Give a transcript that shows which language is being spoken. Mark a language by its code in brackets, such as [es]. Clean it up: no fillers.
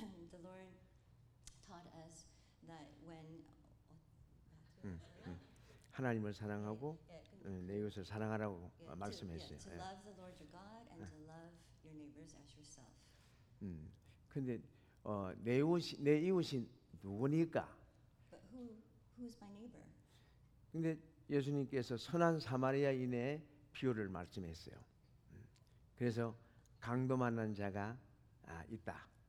[en] The Lord taught us that when [ko] 하나님을 사랑하고 내 이웃을 사랑하라고 말씀했어요. [en] To love the Lord your God and to love your neighbors as yourself. [ko] 근데 내 이웃이 누구니까? [en] But who is my neighbor? [ko] 근데 예수님께서 선한 사마리아인의 비유를 말씀했어요. 그래서 강도 만난 자가 있다.